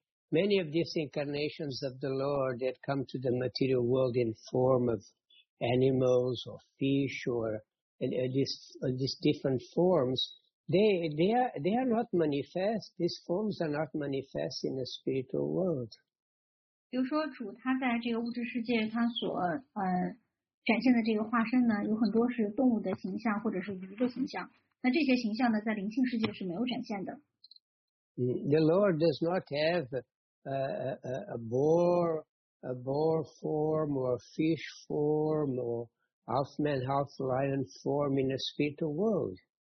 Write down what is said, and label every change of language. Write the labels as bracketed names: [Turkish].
[English] Many of these incarnations of the Lord that come to the material world in form of animals or fish or these different forms, they are not manifest. These forms are not manifest in the spiritual world. [Chinese] 比如说主他在这个物质世界他所展现的这个化身呢，有很多是动物的形象或者是鱼的形象。那这些形象呢，在灵性世界是没有展现的。 [English] The Lord does not have a boar form or a fish form or half man half lion form in the spiritual world.